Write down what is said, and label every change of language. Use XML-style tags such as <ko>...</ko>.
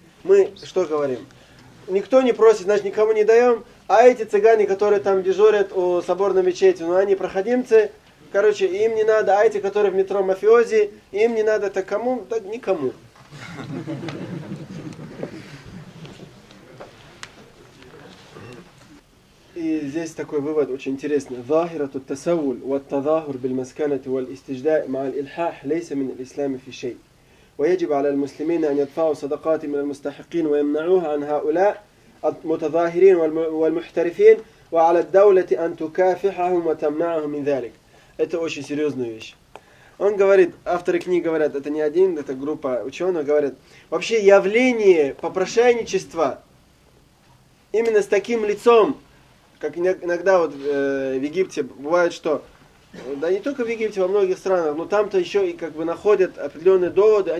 <ru>Мы что говорим? Никто не просит, значит, никому не даем, а эти цыгане, которые там дежурят у соборной мечети, ну они проходимцы, короче, им не надо, а эти, которые в метро мафиози, им не надо, так кому? Так никому. И здесь такой вывод очень интересный.</ru> <ar>Захира тут тасауль, ват тазахур биль масканати валь истижда маал ильхах лейса мин ислами фи шей. ويجب على المسلمين أن يدفعوا صدقات من المستحقين ويمنعوها عن هؤلاء المتظاهرين والمحترفين وعلى الدولة أن تكافحهم وتمنعهم من ذلك.</ar> <ru>Это очень серьезная вещь. Он говорит, авторы книг говорят, это не один, это группа ученых говорят. Вообще явление попрошайничества именно с таким лицом, как иногда вот в Египте бывает, что да не только в Египте, во многих странах, но там-то еще и как бы находят определенные доводы.</ru>